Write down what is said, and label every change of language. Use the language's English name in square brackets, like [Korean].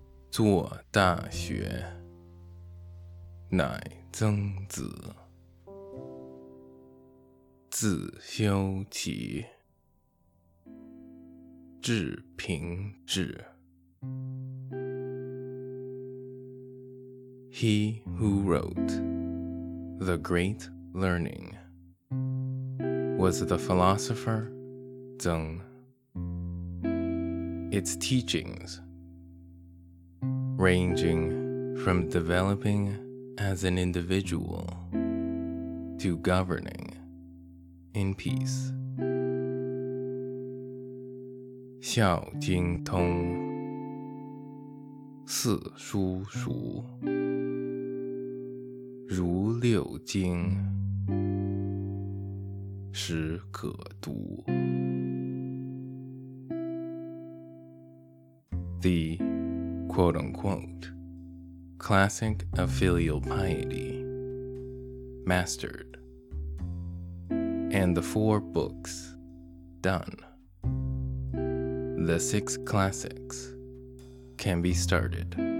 [Chinese] 做大学乃曾子，自修齐，至平治。 [English] He who wrote The Great Learning was the philosopher Zeng. Its teachings, ranging from developing as an individual to governing in peace. [Chinese] 孝经通，四书熟，如六经，始可读。 [English] The quote-unquote classic of filial piety, mastered, and the four books, done. The six classics can be started.